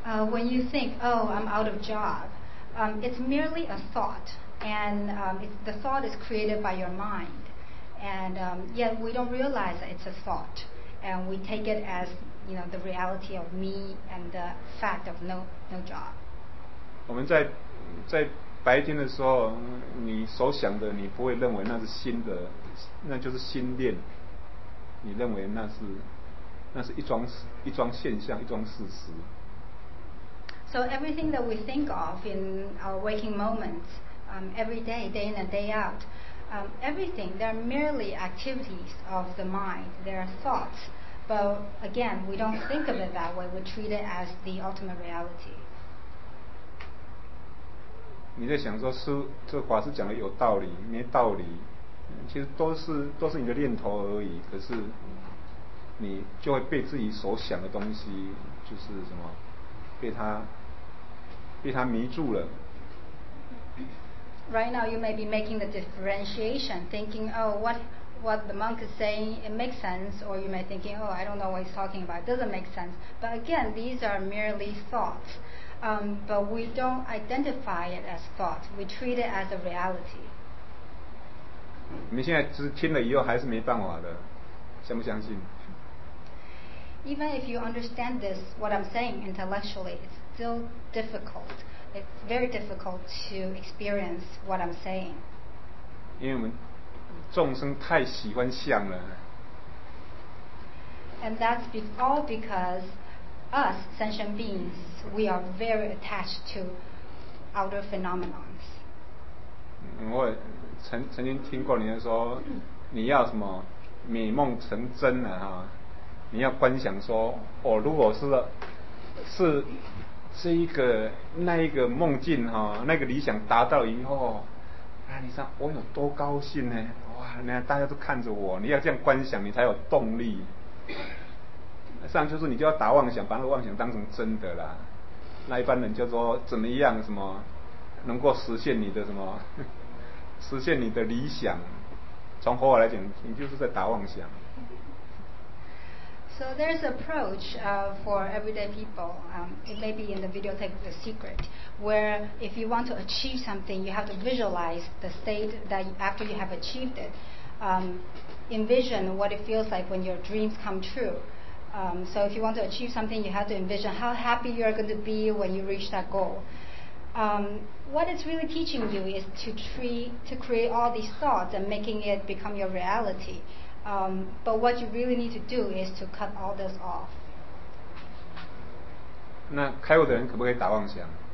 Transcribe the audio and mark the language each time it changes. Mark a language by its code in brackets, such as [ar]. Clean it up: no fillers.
[en] When you think, oh, I'm out of job, it's merely a thought, and the thought is created by your mind. And yet we don't realize that it's a thought, and we take it as, you know, the reality of me and the fact of no job. [zh] 我们在白天的时候，你所想的，你不会认为那是心的，那就是心念。你认为那是一桩现象，一桩事实。 [en] So everything that we think of in our waking moments, every day, day in and day out, everything, they're merely activities of the mind. They are thoughts. But again, we don't think of it that way. We treat it as the ultimate reality. [zh] 你在想说是这法师讲的有道理，没道理，其实都是你的念头而已。可是你就会被自己所想的东西，就是什么，被他迷住了。 [en] Right now you may be making the differentiation, thinking, oh, what the monk is saying, it makes sense, or you may thinking, oh, I don't know what he's talking about, it doesn't make sense. But again, these are merely thoughts. But we don't identify it as thoughts. We treat it as a reality. [zh] 你现在只听了以后还是没办法的，相不相信？ [en] Even if you understand this, what I'm saying intellectually, it's still difficult. It's very difficult to experience what I'm saying. [zh] 因为我们众生太喜欢相了。 [en] And that's all because us, sentient beings, we are very attached to outer phenomenons. [zh] 我曾经听过你说，你要什么美梦成真啊，哈。你要观想说，哦，如果是一个那一个梦境哈，那个理想达到以后，那你想我有多高兴呢？哇，那大家都看着我，你要这样观想，你才有动力。实际上就是你就要打妄想，把那个妄想当成真的啦。那一般人叫做怎么样什么，能够实现你的什么，实现你的理想，从佛法来讲，你就是在打妄想。 [en] So there's approach for everyday people. It may be in the videotape of The Secret, where if you want to achieve something, you have to visualize the state that after you have achieved it. Envision what it feels like when your dreams come true. So if you want to achieve something, you have to envision how happy you are going to be when you reach that goal. What it's really teaching you is to create all these thoughts and making it become your reality. But what you really need to do is to cut all this off. [zh] 那开悟的人可不可以打妄想？